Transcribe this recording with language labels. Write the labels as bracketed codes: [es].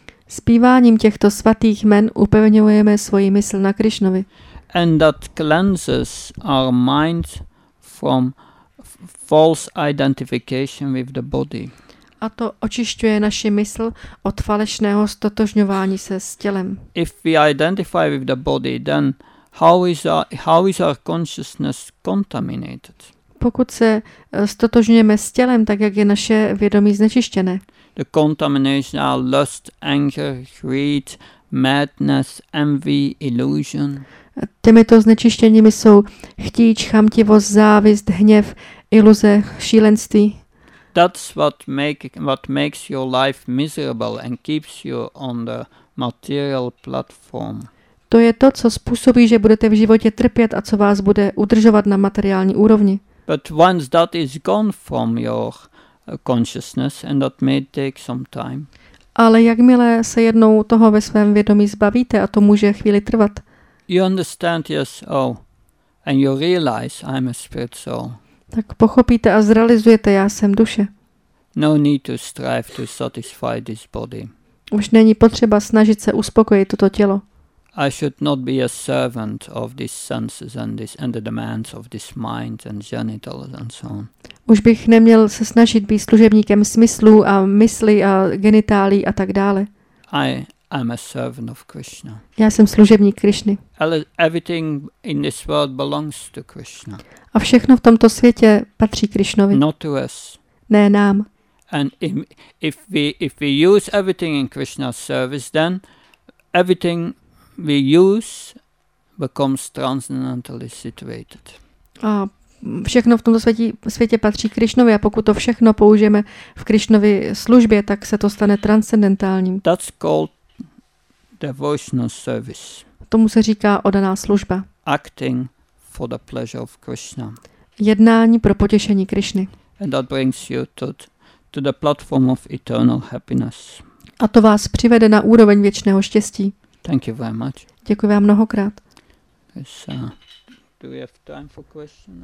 [cs] Zpíváním těchto svatých jmen upevňujeme svoji mysl na Krišnovi. [en] And that cleanses our mind from false identification with the body. [cs] A to očišťuje naši mysl od falešného ztotožňování se s tělem. [en] If we identify with the body, then How is our consciousness contaminated? [cs] Pokud se ztotožňujeme s tělem, tak jak je naše vědomí znečištěné? [en] The contamination are lust, anger, greed, madness, envy, illusion. [cs] Těmito znečištěními jsou chtíč, chamtivost, závist, hněv, iluze, šílenství. [en] That's what makes your life miserable and keeps you on the material platform. [cs] To je to, co způsobí, že budete v životě trpět a co vás bude udržovat na materiální úrovni. [en] But once that is gone from your consciousness, and that may take some time. [cs] Ale jakmile se jednou toho ve svém vědomí zbavíte, a to může chvíli trvat. [en] You understand, yes, oh, and you realize I'm a spirit soul. [cs] Tak pochopíte a zrealizujete, já jsem duše. [en] No need to strive to satisfy this body. [cs] Už není potřeba snažit se uspokojit toto tělo. [en] I should not be a servant of these senses and this and the demands of this mind and genitals and so on. [cs] Už bych neměl se snažit být služebníkem smyslu a mysli a genitálí a tak dále. [en] I am a servant of Krishna. [cs] Já jsem služebník Krišny. [en] Everything in this world belongs to Krishna. [cs] A všechno v tomto světě patří Krišnovi. [en] Not to us. [cs] Ne nám. [en] And if we use everything in Krishna's service, then everything we use becomes transcendentally situated. [cs] A všechno v tomto světě patří Krišnovi a pokud to všechno použijeme v Krišnovi službě, tak se to stane transcendentálním. [en] That's called devotional service. [cs] Tomu se říká oddaná služba. [en] Acting for the pleasure of Krishna. [cs] Jednání pro potěšení Krišny. [en] And that brings you to the platform of eternal happiness. [cs] A to vás přivede na úroveň věčného štěstí. [en] Thank you very much. [cs] Děkuji vám mnohokrát. [en] Do we have time for questions?